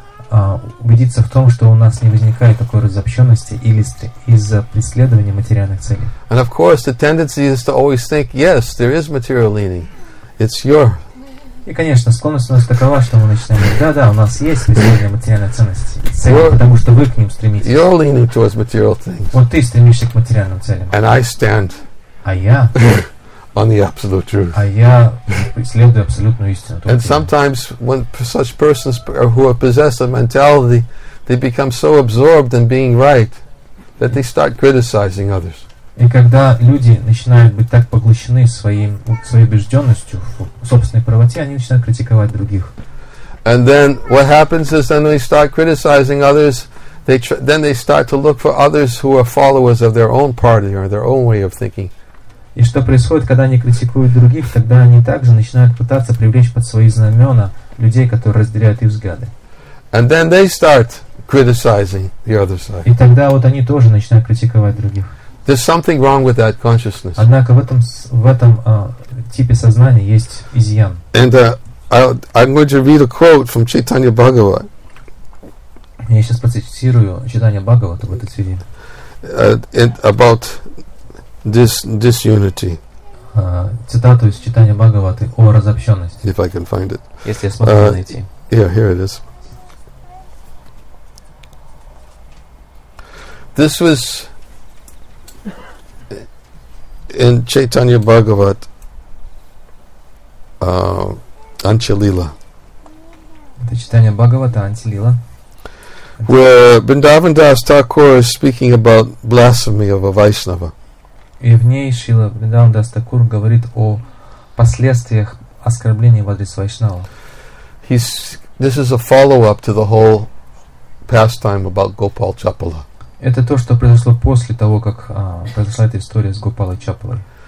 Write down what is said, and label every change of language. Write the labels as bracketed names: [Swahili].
[Russian] И мы должны убедиться в том, что у нас не возникает такой разобщенности или из-за преследования материальных целей. [English] And of course, the tendency is to always think, yes, there is material leaning. It's your. [Russian] И, конечно, склонность у нас такова, что мы начинаем говорить, да-да, у нас есть преследование материальных ценностей, цели, потому что вы к ним стремитесь. [English] You're leaning towards material things. [Russian] Вот ты стремишься к материальным целям. [English] And I stand. [Russian] А я? [English] On the absolute truth. [Russian] А я исследую абсолютную истину. [English] And sometimes when such persons who are possessed of mentality, they become so absorbed in being right that they start criticizing others. [Russian] И когда люди начинают быть так поглощены своей убежденностью в собственной правоте, они начинают критиковать других. [English] And then what happens is then they start criticizing others. They start to look for others who are followers of their own party or their own way of thinking. [Russian] И что происходит, когда они критикуют других, тогда они также начинают пытаться привлечь под свои знамена людей, которые разделяют их взгляды. [English] And then they start criticizing the other side. [Russian] И тогда вот они тоже начинают критиковать других. [English] There's something wrong with that consciousness. [Russian] Однако в этом типе сознания есть изъян. [English] And I'm going to read a quote from Chaitanya Bhagavat. [Russian] Я сейчас процитирую Чайтанья Бхагават в этой связи. [English] About this unity. [Russian] Цитату из Чайтанья Бхагаваты о разобщенности. [English] If I can find it. [Russian] Если я смогу найти. [English] Yeah, here it is. This was in Chaitanya Bhagavat Anchalila. [Russian] Это Чайтанья Бхагавата Анчалила. [English] Where Vrindavan Das Thakur is speaking about blasphemy of a Vaishnava. [Russian] И в ней Шрила Вриндаван Дас Такур говорит о последствиях оскорбления в адрес Вайшнава. [English] This is a follow-up to the whole pastime about Gopal Chapala. [Russian] Это то, что произошло после того, как произошла эта история с Гопалой Чапалой.